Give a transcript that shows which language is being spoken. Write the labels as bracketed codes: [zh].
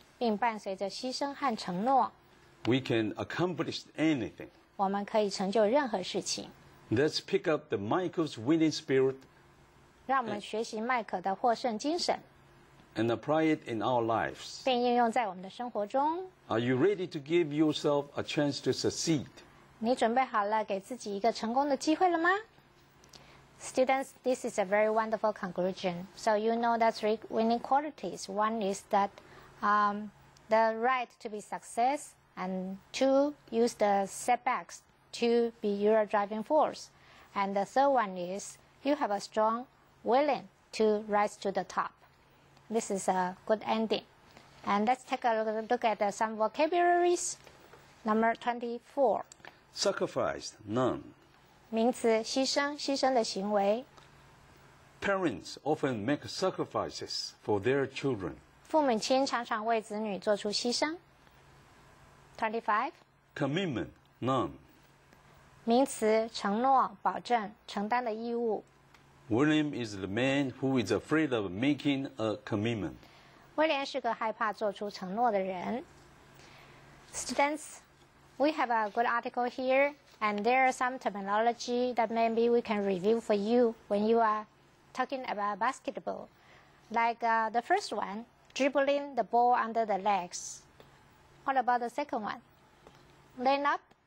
[zh] 并伴随着牺牲和承诺 [en] we can accomplish anything. [zh] 我们可以成就任何事情。 [en] Let's pick up the Michael's winning spirit, [zh] 让我们学习麦克的获胜精神 [en] and apply it in our lives, [zh] 并应用在我们的生活中。 [en] Are you ready to give yourself a chance to succeed? [zh] 你准备好了给自己一个成功的机会了吗？ [en] Students, this is a very wonderful conclusion. So you know the three winning qualities. One is that the right to be success, and two, use the setbacks to be your driving force. And the third one is you have a strong willing to rise to the top. This is a good ending. And let's take a look at some vocabularies. Number 24. Sacrifice, none. [zh] 名词牺牲，牺牲的行为。 [en] Parents often make sacrifices for their children. [zh] 父母亲常常为子女做出牺牲。 [en] 25. Commitment, none. [zh] 名词承诺，保证，承担的义务。 [en] William is the man who is afraid of making a commitment. [zh] 威廉是个害怕做出承诺的人。 [en] Students, we have a good article here. And there are some terminology that maybe we can review for you when you are talking about basketball. Like the first one, dribbling the ball under the legs. What about the second one? Laying up?